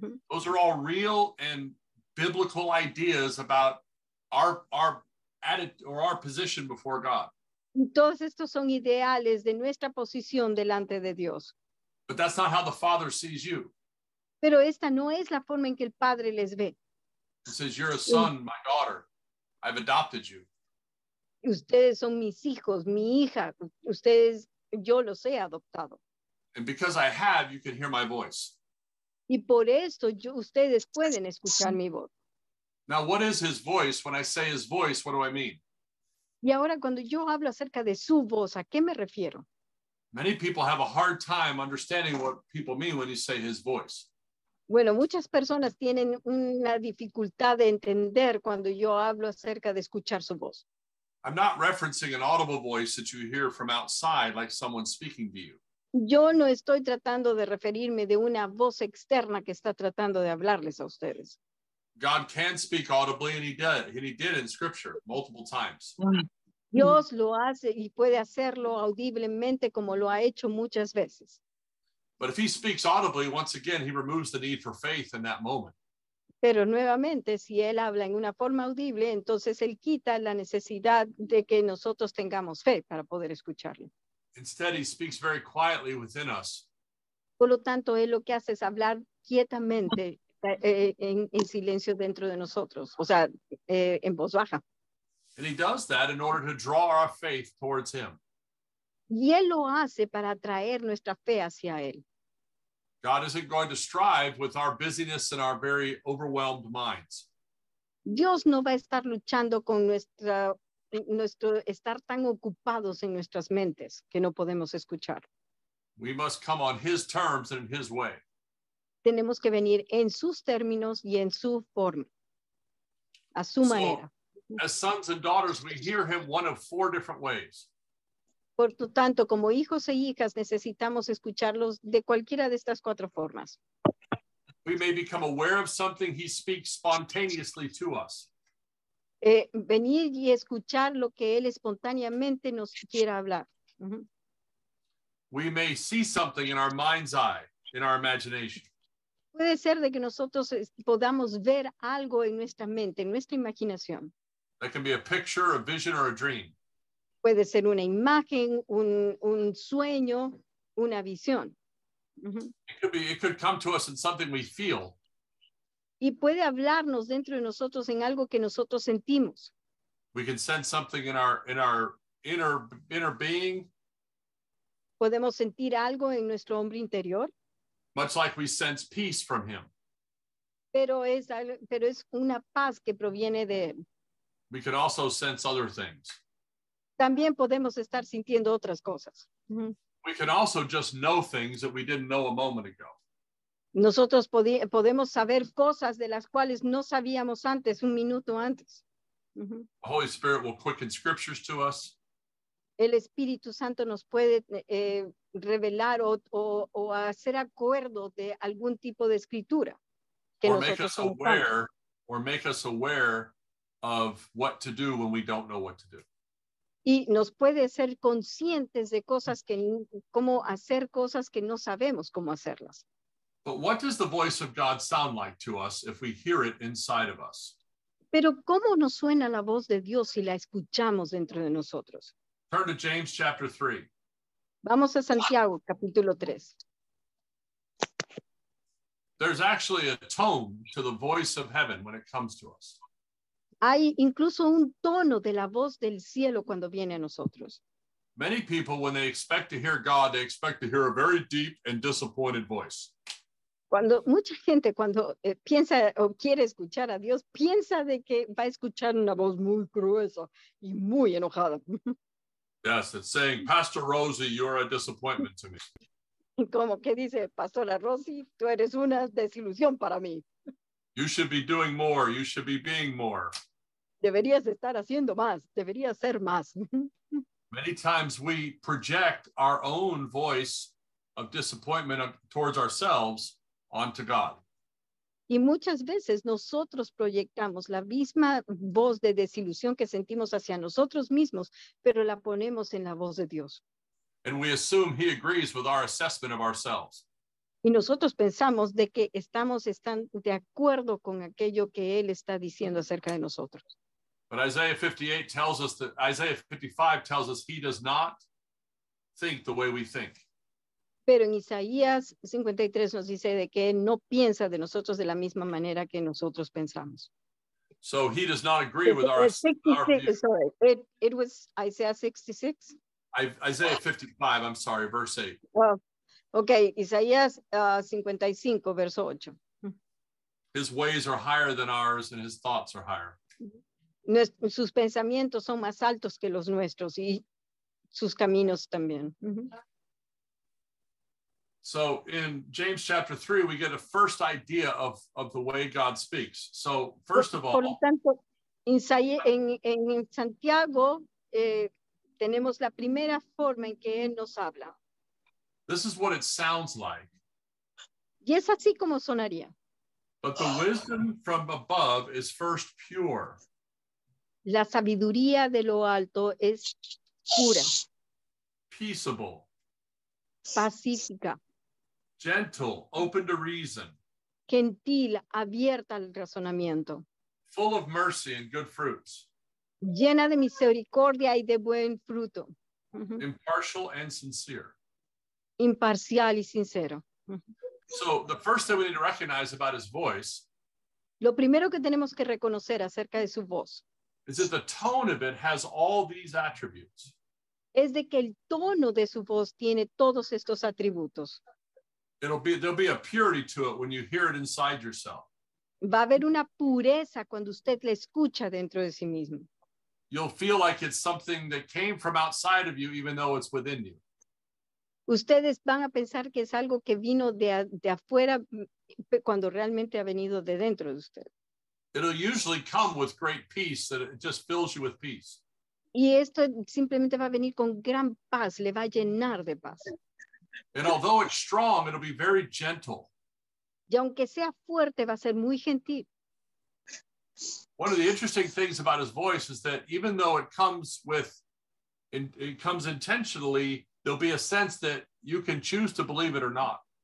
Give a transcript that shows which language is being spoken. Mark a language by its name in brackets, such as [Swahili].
[English] Those are all real and biblical ideas about our attitude or our position before God. [Spanish] Todos estos son ideales de nuestra posición delante de Dios. [English] But that's not how the Father sees you. [Spanish] Pero esta no es la forma en que el Padre les ve. [English] He says, you're a son, my daughter. I've adopted you. [Spanish] Ustedes son mis hijos, mi hija. Ustedes, yo los he adoptado. [English] And because I have, you can hear my voice. [Spanish] Y por esto ustedes pueden escuchar mi voz. [English] Now, what is his voice? When I say his voice, what do I mean? [Spanish] Y ahora, cuando yo hablo acerca de su voz, ¿a qué me refiero? [English] Many people have a hard time understanding what people mean when you say his voice. [Spanish] Bueno, muchas personas tienen una dificultad de entender cuando yo hablo acerca de escuchar su voz. [English] I'm not referencing an audible voice that you hear from outside, like someone speaking to you. [Spanish] Yo no estoy tratando de referirme de una voz externa que está tratando de hablarles a ustedes. [English] God can speak audibly, and he did in Scripture multiple times. [Spanish] Dios lo hace y puede hacerlo audiblemente como lo ha hecho muchas veces. [English] But if he speaks audibly, once again, he removes the need for faith in that moment. [Spanish] Pero nuevamente, si él habla en una forma audible, entonces él quita la necesidad de que nosotros tengamos fe para poder escucharle. [English] Instead, he speaks very quietly within us. [Spanish] Por lo tanto, él lo que hace es hablar quietamente en silencio dentro de nosotros, o sea, en voz baja. [English] And he does that in order to draw our faith towards him. [Spanish] Y él lo hace para atraer nuestra fe hacia él. [English] God isn't going to strive with our busyness and our very overwhelmed minds. [Spanish] Dios no va a estar luchando con nuestro estar tan ocupados en nuestras mentes que no podemos escuchar. [English] We must come on his terms and in his way. [Spanish] Tenemos que venir en sus términos y en su forma, a su manera. [English] As sons and daughters, we hear him one of four different ways. [Spanish] Por lo tanto, como hijos e hijas, necesitamos escucharlos de cualquiera de estas cuatro formas. [English] We may become aware of something he speaks spontaneously to us. [Spanish] Venir y escuchar lo que él espontáneamente nos quiera hablar. [English] We may see something in our mind's eye, in our imagination. [Spanish] Puede ser de que nosotros podamos ver algo en nuestra mente, en nuestra imaginación. [English] That can be a picture, a vision, or a dream. [Spanish] Puede ser una imagen, un sueño, una visión. [English] It could come to us in something we feel. [Spanish] Y puede hablarnos dentro de nosotros en algo que nosotros sentimos. [English] We can sense something in our inner being. [Spanish] Podemos sentir algo en nuestro hombre interior. [English] Much like we sense peace from him. [Spanish] Pero es una paz que proviene de él. [English] We can also sense other things. [Spanish] También podemos estar sintiendo otras cosas. [English] We can also just know things that we didn't know a moment ago. [Spanish] Nosotros podemos saber cosas de las cuales no sabíamos antes, un minuto antes. [English] The Holy Spirit will quicken scriptures to us. [Spanish] El Espíritu Santo nos puede revelar o hacer acuerdo de algún tipo de escritura. [English] Or make us aware of what to do when we don't know what to do. [Spanish] Y nos puede ser conscientes de cosas que, cómo hacer cosas que no sabemos cómo hacerlas. [English] But what does the voice of God sound like to us if we hear it inside of us? [Spanish] Pero cómo nos suena la voz de Dios si la escuchamos dentro de nosotros? [English] Turn to James chapter 3. [Spanish] Vamos a Santiago, capítulo 3. [English] There's actually a tone to the voice of heaven when it comes to us. [Spanish] Hay incluso un tono de la voz del cielo cuando viene a nosotros. [English] Many people, when they expect to hear God, they expect to hear a very deep and disappointed voice. [Spanish] Cuando mucha gente cuando piensa o quiere escuchar a Dios, piensa de que va a escuchar una voz muy gruesa y muy enojada. [English] Yes, it's saying, Pastor Rosie, you're a disappointment to me. [Spanish] Como que dice, Pastora Rosie, tú eres una desilusión para mí. [English] You should be doing more. You should be being more. [Spanish] Deberías estar haciendo más. Deberías ser más. [English] Many times we project our own voice of disappointment towards ourselves onto God. [Spanish] Y muchas veces nosotros proyectamos la misma voz de desilusión que sentimos hacia nosotros mismos, pero la ponemos en la voz de Dios. [English] And we assume he agrees with our assessment of ourselves. [Spanish] Y nosotros pensamos de que están de acuerdo con aquello que él está diciendo acerca de nosotros. [English] But Isaiah 55 tells us he does not think the way we think. [Spanish] Pero en Isaías 53 nos dice de que él no piensa de nosotros de la misma manera que nosotros pensamos. [English] So he does not agree with our Isaiah 55, I'm sorry, verse 8. [Spanish] Okay, Isaías 55, verso 8. [English] His ways are higher than ours and his thoughts are higher. [Spanish] Sus pensamientos son más altos que los nuestros y sus caminos también. [English] So in James chapter 3, we get a first idea of the way God speaks. So first of all, [Spanish] por lo tanto, en Santiago, tenemos la primera forma en que él nos habla. [English] This is what it sounds like. [Spanish] Y es así como sonaría. [English] But the wisdom from above is first pure. [Spanish] La sabiduría de lo alto es pura. [English] Peaceable. [Spanish] Pacífica. [English] Gentle, open to reason. [Spanish] Gentil, abierta al razonamiento. [English] Full of mercy and good fruits. [Spanish] Llena de misericordia y de buen fruto. [English] Impartial and sincere. [Spanish] Imparcial y sincero. [English] So the first thing we need to recognize about his voice. [Spanish] Lo primero que tenemos que reconocer acerca de su voz. [English] Is that the tone of it has all these attributes. [Spanish] Es de que el tono de su voz tiene todos estos atributos. [English] There'll be a purity to it when you hear it inside yourself. [Spanish] Va a haber una pureza cuando usted le escucha dentro de sí mismo. [English] You'll feel like it's something that came from outside of you, even though it's within you. [Spanish] Ustedes van a pensar que es algo que vino de afuera cuando realmente ha venido de dentro de usted. [English] It'll usually come with great peace, that it just fills you with peace. [Spanish] Y esto simplemente va a venir con gran paz, le va a llenar de paz. [English] And although it's strong, it'll be very gentle. [Spanish] Y aunque sea fuerte, va a ser muy gentil. [English] One of the interesting things about his voice is that even though it comes with, it comes intentionally, there'll be a sense that you can choose to believe it or not.